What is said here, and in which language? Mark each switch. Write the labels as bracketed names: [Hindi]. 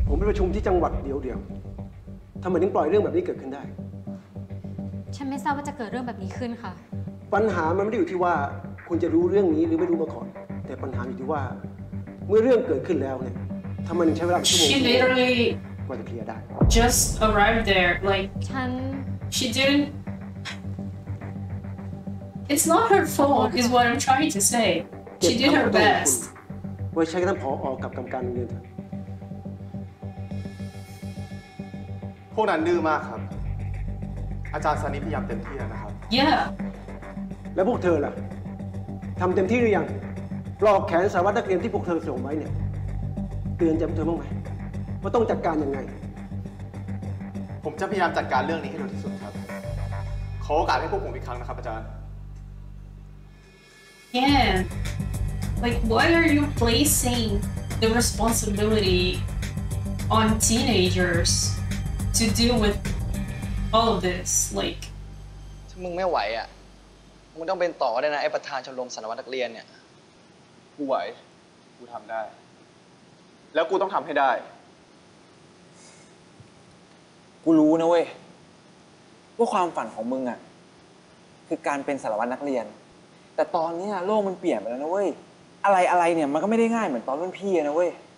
[Thai] ประชุมที่จังหวัดเดียวทำไมถึงปล่อยเรื่องแบบนี้เกิดขึ้นได้ฉันไม่ทราบว่าจะเกิดเรื่องแบบนี้ขึ้นค่ะ ปัญหามันไม่ได้อยู่ที่ว่าคุณจะรู้เรื่องนี้หรือไม่รู้มาก่อนแต่ปัญหาอยู่ที่ว่าเมื่อเรื่องเกิดขึ้นแล้วเนี่ยทำไมถึงใช้เวลาชั่วโมง กว่า จะเคลียร์ได้ [English] just arrived there like [Thai] ฉัน [English] she didn't it's not her fault is what I'm trying to say she did her best [Thai] ว่าใช้กันพอออกกับกรรมการเงิน พวกนั้นดื้อมากครับอาจารย์สานิพยายามเต็มที่แล้วนะครับ [English] Yeah [Thai] แล้วพวกเธอล่ะทำเต็มที่หรือยังปลอกแขนสารวัตรนักเรียนที่พวกเธอส่งไว้เนี่ยเตือนจำเธอบ้างไหมว่าต้องจัดการยังไง ผมจะพยายามจัดการเรื่องนี้ให้เร็วที่สุดครับขอโอกาสให้พวกผมอีกครั้งนะครับอาจารย์ [English] Yeah like why are you placing the responsibility on teenagersTo deal with all of this, like. [Thai] ถ้ามึงไม่ไหวอ่ะมึงต้องเป็นต่อได้นะไอ้ประธานชมรมสารวัตรนักเรียนเนี่ย กูไหวกูทำได้แล้วกูต้องทำให้ได้กูรู้นะเว้ยว่าความฝันของมึงอ่ะคือการเป็นสารวัตรนักเรียนแต่ตอนนี้โลกมันเปลี่ยนไปแล้วนะเว้ยอะไรอะไรเนี่ยมันก็ไม่ได้ง่ายเหมือนตอนรุ่นพี่นะเว้ย